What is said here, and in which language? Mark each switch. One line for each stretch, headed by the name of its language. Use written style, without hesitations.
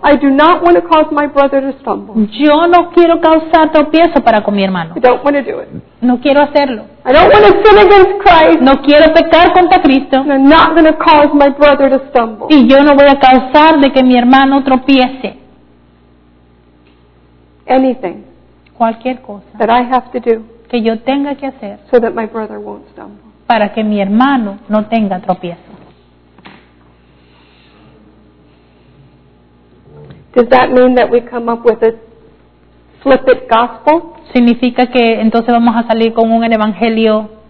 English: I do not want to cause my brother to stumble.
Spanish: Yo no quiero causar tropiezo para con mi hermano.
English: I don't want to do it.
Spanish: No quiero hacerlo.
English: I don't want to sin against Christ.
Spanish: No quiero pecar contra Cristo.
English: I'm not going to cause my brother to stumble.
Spanish: Y yo no voy a causar de que mi hermano tropiece.
English: Anything.
Spanish: Cualquier cosa.
English: That I have to do.
Spanish: Que yo tenga que hacer
English: so that my brother won't stumble.
Spanish: Para que mi hermano no tenga tropiezo.
English: Does that mean that we come up with a flippant gospel?
Spanish: ¿Significa que entonces vamos a salir con un evangelio